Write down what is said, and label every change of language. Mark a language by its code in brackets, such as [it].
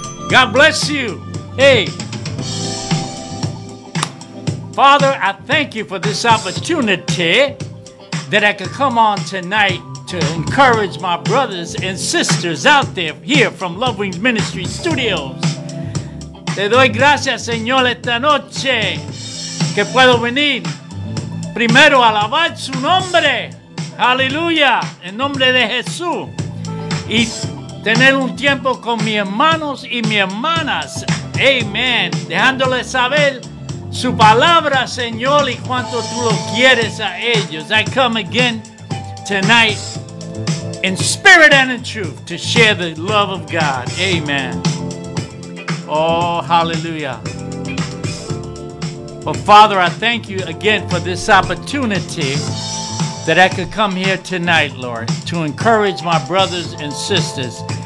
[en] God bless you. Hey. Father, I thank you for this opportunity that I could come on tonight to encourage my brothers and sisters out there here from Love Wings Ministry Studios. [es] Te doy gracias, Señor, esta noche que puedo venir. Primero, alabar su nombre. Hallelujah. En nombre de Jesús. Y tener un tiempo con mis hermanos y mis hermanas. Amen. Dejándoles saber su palabra, Señor, y cuánto tú lo quieres a ellos. [en] I come again tonight in spirit and in truth to share the love of God. Amen. Oh, hallelujah. But Father, I thank you again for this opportunity that I could come here tonight, Lord, to encourage my brothers and sisters.